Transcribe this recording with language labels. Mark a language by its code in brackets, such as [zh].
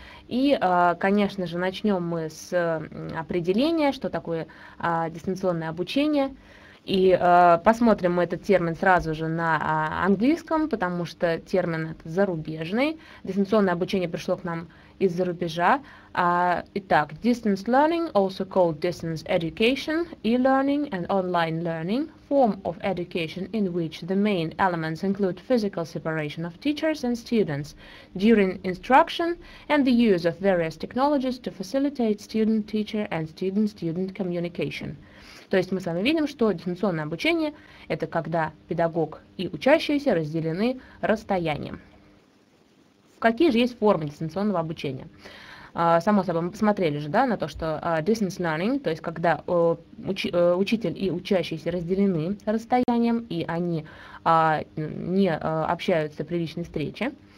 [ru] И, конечно же, начнем мы с определения, что такое дистанционное обучение. И посмотрим мы этот термин сразу же на английском, потому что термин этот зарубежный. Дистанционное обучение пришло к нам из-за рубежа. [en] Итак, distance learning, also called distance education, e-learning and online learning, form of education in which the main elements include physical separation of teachers and students during instruction and the use of various technologies to facilitate student-teacher and student-student communication. [ru] То есть мы с вами видим, что дистанционное обучение – это когда педагог и учащиеся разделены расстоянием. Какие же есть формы дистанционного обучения? Само собой, мы посмотрели же, да, на то, что distance learning, то есть когда учитель и учащийся разделены расстоянием, и они не общаются при личной встрече.